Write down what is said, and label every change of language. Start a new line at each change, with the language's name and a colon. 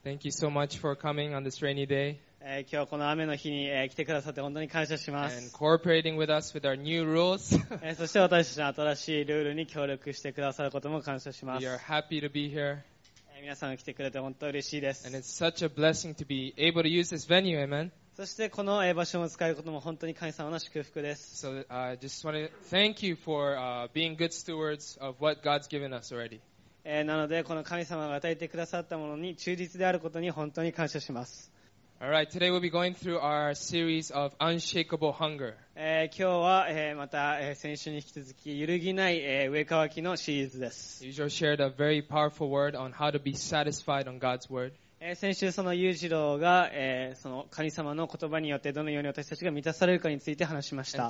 English: Thank you so much for coming on this rainy day.
Japanese: 今日はこの雨の日に来てくださって本当に感謝します。
English: And cooperating with us with our new rules.
Japanese: そして私たちの新しいルールに協力してくださることも感謝します。
English: We are happy to be here.
Japanese: 皆さんが来てくれて本当に嬉しいです。
English: And it's such a blessing to be able to use this venue, amen.
Japanese: そしてこの場所を使えることも本当に神様の祝福です。
English: So, I just want to thank you for being good stewards of what God's given us already.
Japanese: なのでこの神様が与えてくださったものに忠実であることに本当に感謝します。
English: All right, today we'll be going through our series of Unshakable Hunger.
Japanese: 今日はまた先週に引き続き揺るぎない飢え渇きのシリーズです。
English: You just shared a very powerful word on how to be satisfied on God's word.
Japanese: 先週その裕次郎がその神様の言葉によってどのように私たちが満たされるかについて話しました。